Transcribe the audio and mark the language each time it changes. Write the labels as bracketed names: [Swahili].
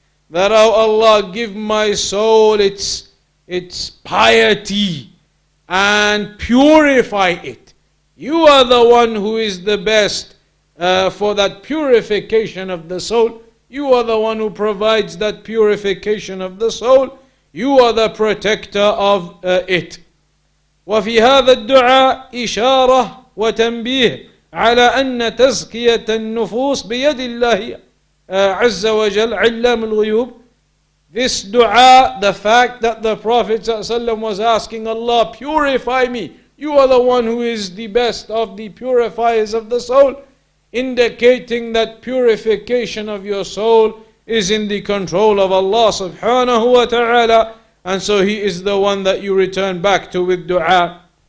[English] That, oh Allah, give my soul its piety and purify it. You are the one who is the best for that purification of the soul. You are the one who provides that purification of the soul. You are the protector of it. [Arabic] وفي هذا الدعاء إشارة وتنبيه على أن تزكية النفوس بيد الله عز وجل علام الغيوب. [English] This dua, the fact that the Prophet ﷺ was asking Allah, purify me. You are the one who is the best of the purifiers of the soul. Indicating that purification of your soul is in the control of Allah subhanahu wa ta'ala, and so he is the one that you return back to with dua.